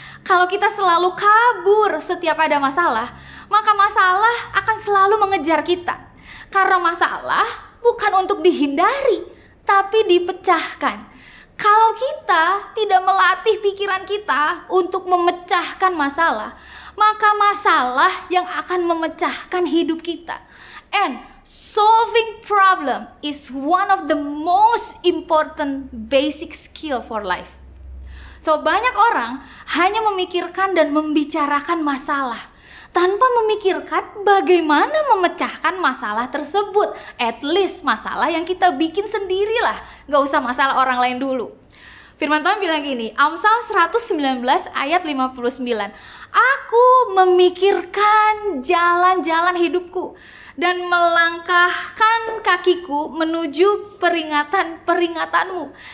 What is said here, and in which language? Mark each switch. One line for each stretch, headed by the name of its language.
Indonesian: Kalau kita selalu kabur setiap ada masalah, maka masalah akan selalu mengejar kita. Karena masalah bukan untuk dihindari, tapi dipecahkan. Kalau kita tidak melatih pikiran kita untuk memecahkan masalah, maka masalah yang akan memecahkan hidup kita.
English: And solving problem is one of the most important basic skill for life.
Indonesian: So, banyak orang hanya memikirkan dan membicarakan masalah tanpa memikirkan bagaimana memecahkan masalah tersebut. At least masalah yang kita bikin sendirilah, gak usah masalah orang lain dulu. Firman Tuhan bilang gini, Amsal 119 ayat 59, aku memikirkan jalan-jalan hidupku dan melangkahkan kakiku menuju peringatan-peringatanmu.